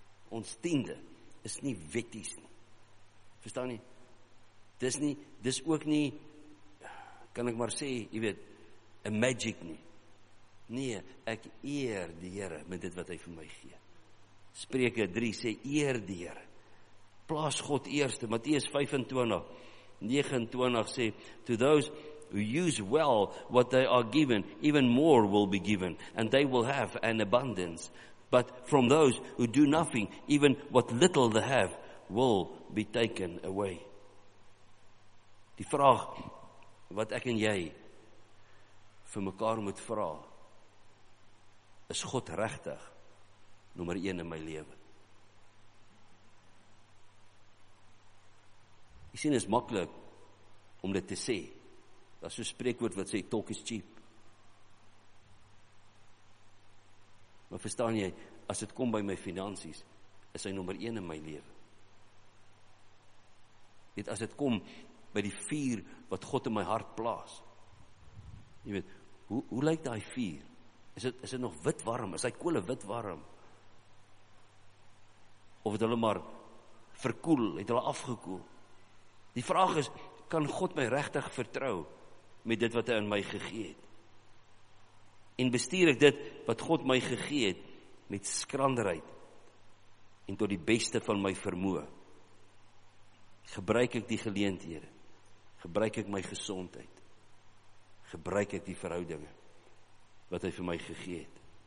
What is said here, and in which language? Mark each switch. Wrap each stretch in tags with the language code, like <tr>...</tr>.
<af>Ons tiende is nie wetties nie. Verstaan nie? Dis ook nie, kan ek maar sê, jy weet,</af> <en>a magic</en> <af>nie. Nee, ek eer die Here met dit wat hy vir my gee. Spreuke 3 sê, eer die Here. Plaas God eerste.</af> <en>Matteus 25:29 sê, to those who use well what they are given, even more will be given, and they will have an abundance. But from those who do nothing, even what little they have, will be taken away.</en> <af>Die vraag wat ek en jy vir mekaar moet vra, is God regtig nummer 1 in my lewe? Jy sien, is makkelijk om dit te sê. Daar is so 'n spreekwoord wat sê,</af> <en>talk is cheap.</en> <af>Maar verstaan jy, as het kom by my finansies, is hy nummer 1 in my lewe. Weet, as het kom by die vuur wat God in my hart plaas, jy weet, hoe lyk die vuur? Is het nog wit warm? Is hy kole wit warm? Of het hulle maar verkoel, het hulle afgekoel? Die vraag is, kan God my regtig vertrou met dit wat hy in my gegee het? En bestuur ek dit wat God my gegee het met skranderheid en tot die beste van my vermoë? Gebruik ek die geleenthede? Gebruik ek my gesondheid? Gebruik ek die verhoudinge wat hy vir my gegee het?</af>